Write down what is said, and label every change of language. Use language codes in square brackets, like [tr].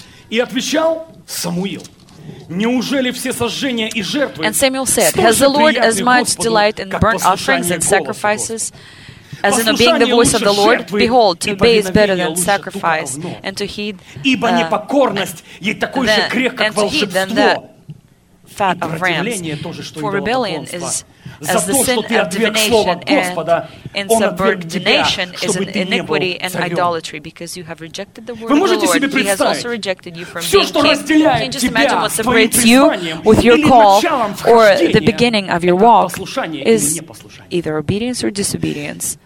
[ru] И отвечал Самуил: Неужели все сожжения и жертвы? [en] And Samuel said, Has the Lord as much delight in burnt offerings and sacrifices as in obeying the voice of the Lord? Behold, to obey is better than sacrifice, and to heed [ru] ибо непокорность ей такой же грех, как волшебство. И противление тоже, что и идолопоклонство. [en] As the sin of divination and in subordination is an iniquity and idolatry because you have rejected the word of the Lord. He has also rejected you from being king. Can you just imagine what separates you with your call or the beginning of your walk is either obedience or disobedience.